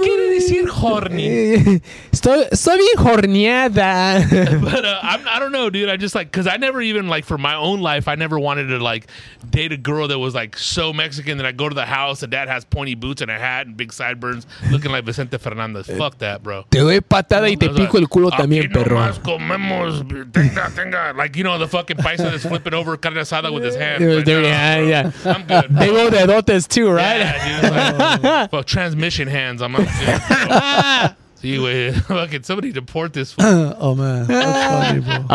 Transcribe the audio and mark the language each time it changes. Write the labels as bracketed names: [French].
[Spanish] quiere decir horny? Estoy bien horneada. [English] But I don't know, dude. I just like, because I never even, like, for my own life, I never wanted to, like, date a girl that was, like, so Mexican that I go to the house, and dad has pointy boots and a hat and big sideburns, looking like Vicente Fernandez. Fuck that, bro. [Spanish] Te doy patada y te pico el culo también, perro. Aquí nomás comemos, tenga. [English] Like, you know, the fucking paisa that's flipping over carne asada with his hands. Yeah. I'm good. They roll the dotes too, right? Yeah, dude. Like, fuck. Transmission hands. I'm not see, wait. Fuck it. Somebody deport this. Oh, man. That's funny, bro.